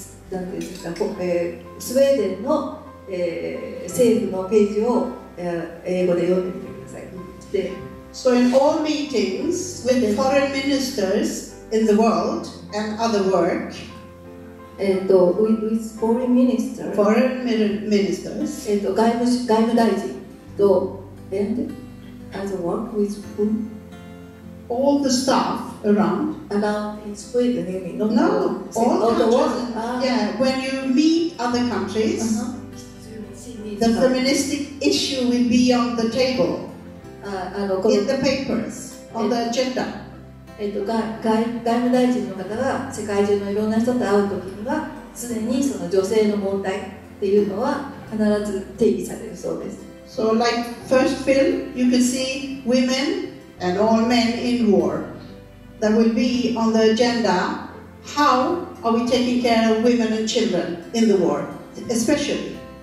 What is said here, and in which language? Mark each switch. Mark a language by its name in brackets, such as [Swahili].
[Japanese] なんていうんですか、スウェーデンの、政府のページを、英語で読んでみてください。 [English] So in all meetings with foreign ministers in the world and other work, With foreign minister, foreign ministers, [Japanese] 外務大臣と [English] and as a work with whom all the staff around in Sweden, you mean? No, all countries. Yeah, when you meet other countries, the feministic issue will be on the table, in the papers, on the agenda. [Japanese] 外務大臣の方が世界中のいろんな人と会うときには常にその女性の問題っていうのは必ず定義されるそうです。 [English] So like first film you can see women and all men in war that will be on the agenda. How are we taking care of women and children in the war especially?